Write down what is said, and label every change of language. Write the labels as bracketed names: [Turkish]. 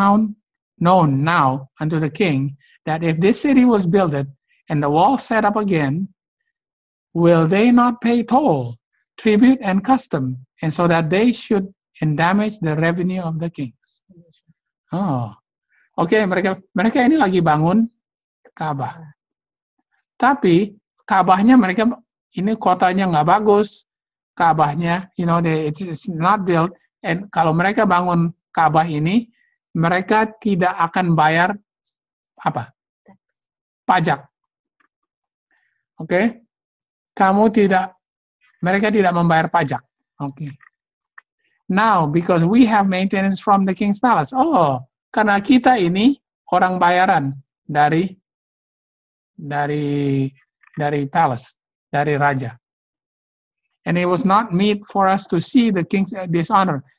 [English] Be it known now unto the king that if this city was builded and the walls set up again, will they not pay toll, tribute, and custom, and so that they should endamage the revenue of the kings? Oh, okay. [Indonesian] Mereka ini lagi bangun Ka'bah. Tapi Ka'bahnya mereka ini kotanya nggak bagus. Ka'bahnya, [English] you know, it's not built. And [Indonesian] kalau mereka bangun Ka'bah ini, mereka tidak akan bayar apa? Pajak. Okay? Mereka tidak membayar pajak. Okay. [English] Now, because we have maintenance from the king's palace. [Indonesian] Oh, karena kita ini orang bayaran dari palace, dari raja. [English] And it was not meet for us to see the king's dishonor.